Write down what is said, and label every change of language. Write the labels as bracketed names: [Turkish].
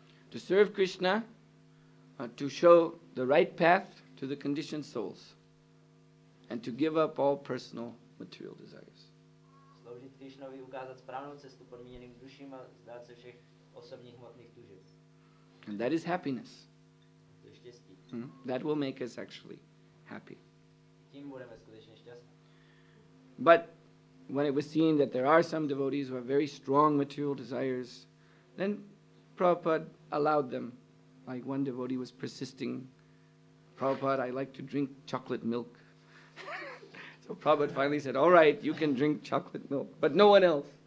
[English] To serve Krishna, to show the right path to the conditioned souls, and to give up all personal material desires. [Czech] Sloužit Krishnovi, ukázat správnou cestu podmíněným duším a zdát se všech osobních hmotných tužeb. [English] And that is happiness. [Czech] To je štěstí. [English] That will make us actually happy. [Czech] Tím budeme skutečně šťastní. [English] But when it was seen that there are some devotees who have very strong material desires, then Prabhupada allowed them. Like one devotee was persisting, Prabhupada, I like to drink chocolate milk. So Prabhupada finally said, all right, you can drink chocolate milk, but no one else.